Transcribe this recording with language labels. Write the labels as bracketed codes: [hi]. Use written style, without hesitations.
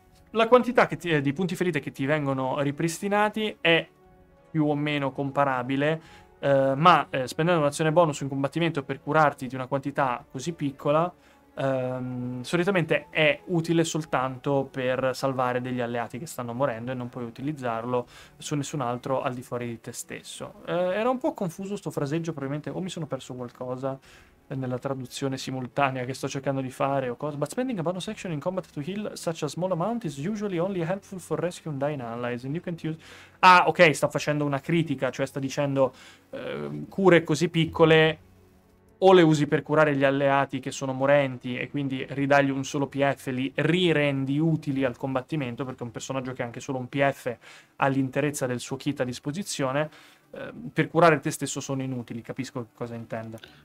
[it] La quantità di punti ferite che ti vengono ripristinati è più o meno comparabile, ma spendendo un'azione bonus in combattimento per curarti di una quantità così piccola, solitamente è utile soltanto per salvare degli alleati che stanno morendo e non puoi utilizzarlo su nessun altro al di fuori di te stesso. Era un po' confuso sto fraseggio, probabilmente o mi sono perso qualcosa nella traduzione simultanea che sto cercando di fare o cosa. [en] But spending a bonus action in combat to heal such a small amount is usually only helpful for rescue and dying allies and you can use... [it] Ah, ok, sta facendo una critica, cioè sta dicendo cure così piccole o le usi per curare gli alleati che sono morenti e quindi ridagli un solo PF, li rirendi utili al combattimento, perché un personaggio che ha anche solo un PF ha l'interezza del suo kit a disposizione, per curare te stesso sono inutili, capisco cosa intende.